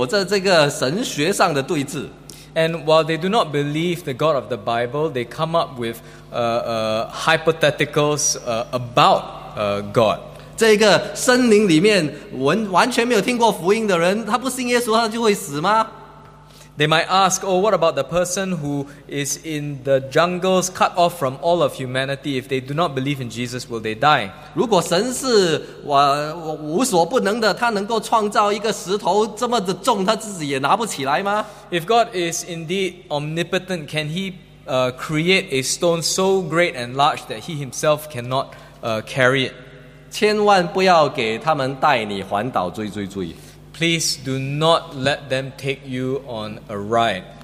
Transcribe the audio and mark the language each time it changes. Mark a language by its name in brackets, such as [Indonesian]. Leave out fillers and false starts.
[Chinese] 他甚至不相信这一个圣经的神，不过他却跟你有着这个神学上的对峙。 [English] And while they do not believe the God of the Bible, they come up with hypotheticals about God. [Chinese] 这个森林里面完全没有听过福音的人，他不信耶稣，他就会死吗？ [English] They might ask, oh, what about the person who is in the jungles, cut off from all of humanity? If they do not believe in Jesus, will they die? [Chinese] 如果神是无所不能的，他能够创造一个石头这么的重，他自己也拿不起来吗？ [English] If God is indeed omnipotent, can he create a stone so great and large that he himself cannot carry it? [Chinese] 千万不要给他们带你环岛追追追。 [English] Please do not let them take you on a ride.